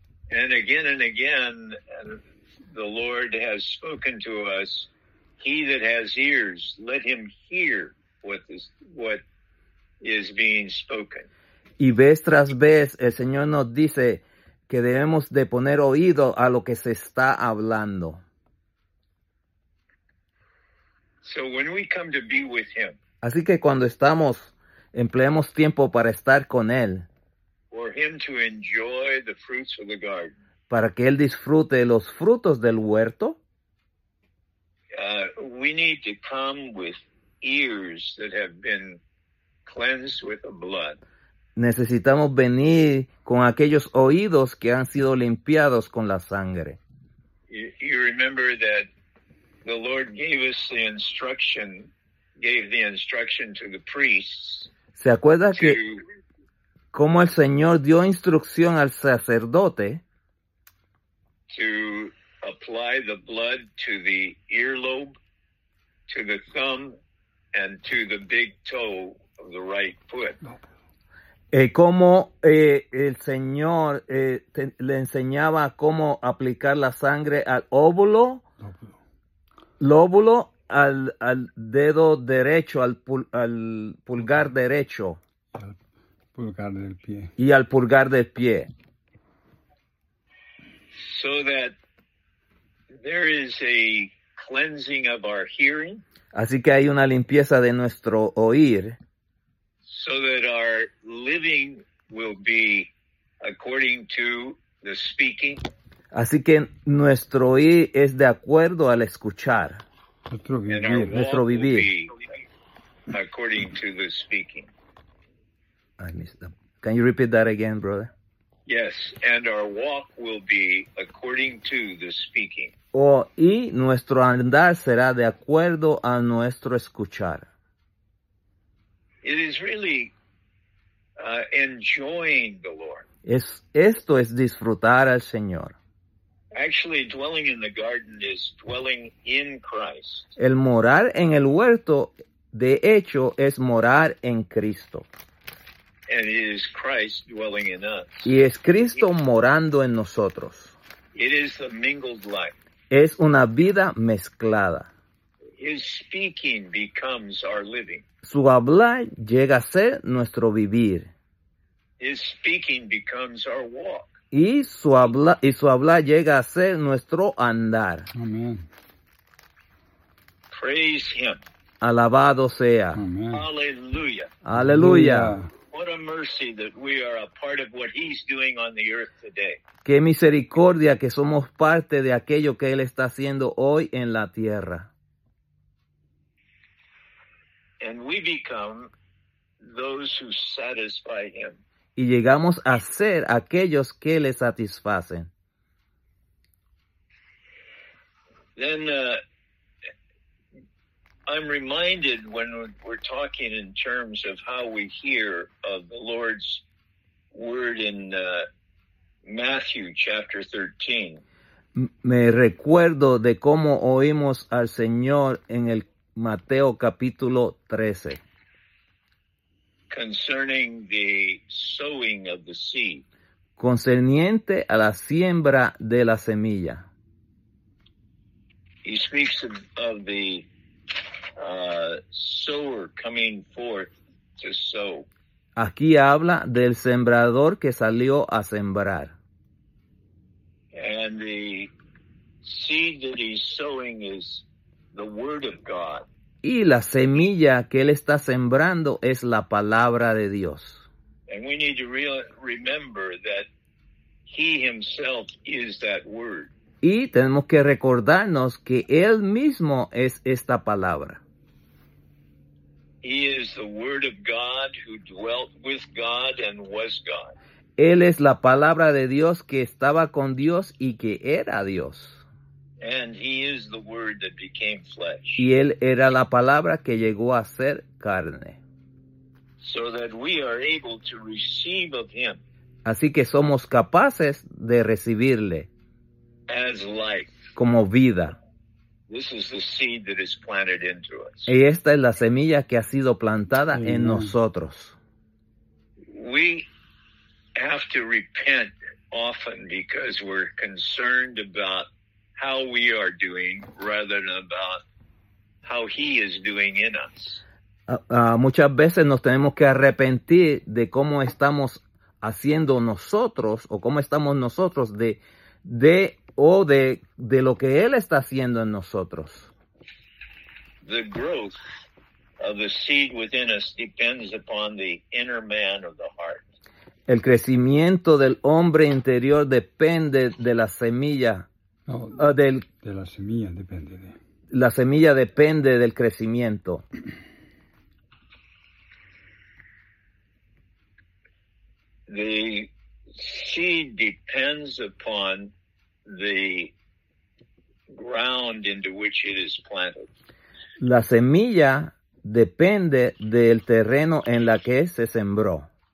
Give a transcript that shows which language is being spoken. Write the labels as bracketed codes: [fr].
[en] And again, the Lord has spoken to us. He that has ears, let him hear what is being spoken. [es] Y vez tras vez, el Señor nos dice que debemos de poner oído a lo que se está hablando. [en] So when we come to be with him, [es] así que cuando estamos, empleemos tiempo para estar con él. [en] For him to enjoy the fruits of the garden. [es] Para que él disfrute los frutos del huerto. [en] We need to come with ears that have been cleansed with the blood. [es] Necesitamos venir con aquellos oídos que han sido limpiados con la sangre. [en] You remember that the Lord gave us the instruction, gave the instruction to the priests. [es] ¿Se acuerda que cómo el Señor dio instrucción al sacerdote [en] to apply the blood to the earlobe, to the thumb, and to the big toe of the right foot? [es] Cómo el Señor le enseñaba cómo aplicar la sangre al óvulo, lóbulo, al dedo derecho, al pulgar derecho. Pulgar del pie. Y al pulgar del pie. [en] So that there is a cleansing of our hearing. [es] Así que hay una limpieza de nuestro oír. [en] So that our living will be according to the speaking. [es] Así que nuestro oír es de acuerdo al escuchar. Nuestro vivir. [en] According to the speaking. I missed that. Can you repeat that again, brother? Yes, and our walk will be according to the speaking. [es] Oh, y nuestro andar será de acuerdo a nuestro escuchar. [en] It is really enjoying the Lord. [es] Esto es disfrutar al Señor. [en] Actually, dwelling in the garden is dwelling in Christ. [es] El morar en el huerto, de hecho, es morar en Cristo. [en] And it is Christ dwelling in us. [es] Y es Cristo morando en nosotros. [en] It is a mingled life. [es] Es una vida mezclada. [en] His speaking becomes our living. [es] Su hablar llega a ser nuestro vivir. [en] His speaking becomes our walk. [es] Y su hablar llega a ser nuestro andar. Amén. [en] Praise him. [es] Alabado sea. Aleluya. Aleluya. [en] What a mercy that we are a part of what he's doing on the earth today. [es] Qué misericordia que somos parte de aquello que él está haciendo hoy en la tierra. [en] And we become those who satisfy him. [es] Y llegamos a ser aquellos que le satisfacen. [en] Then I'm reminded when we're talking in terms of how we hear of the Lord's word in Matthew chapter 13. [es] Me recuerdo de cómo oímos al Señor en el Mateo capítulo 13. [en] Concerning the sowing of the seed. [es] Concerniente a la siembra de la semilla. [en] He speaks of the sower coming forth to sow. [es] Aquí habla del sembrador que salió a sembrar. [en] And the seed that he's sowing is the word of God. [es] Y la semilla que él está sembrando es la palabra de Dios. [en] And we need to remember that he himself is that word. [es] Y tenemos que recordarnos que él mismo es esta palabra. [en] He is the word of God who dwelt with God and was God. [es] Él es la palabra de Dios que estaba con Dios y que era Dios. [en] And he is the word that became flesh. [es] Y él era la palabra que llegó a ser carne. [en] So that we are able to receive of him. [es] Así que somos capaces de recibirle. [en] As life. [es] Como vida. [en] This is the seed that is planted into us. [es] Y esta es la semilla que ha sido plantada en nosotros. [en] We have to repent often because we're concerned about how we are doing rather than about how he is doing in us. [es] Muchas veces nos tenemos que arrepentir de cómo estamos haciendo nosotros o cómo estamos nosotros de lo que él está haciendo en nosotros. [en] The growth of the seed within us depends upon the inner man of the heart. [es] El crecimiento del hombre interior depende de la semilla. No, de la semilla depende. La semilla depende del crecimiento. [en] The seed depends upon the ground into which it is planted. [es] La semilla depende del terreno en la que se sembró.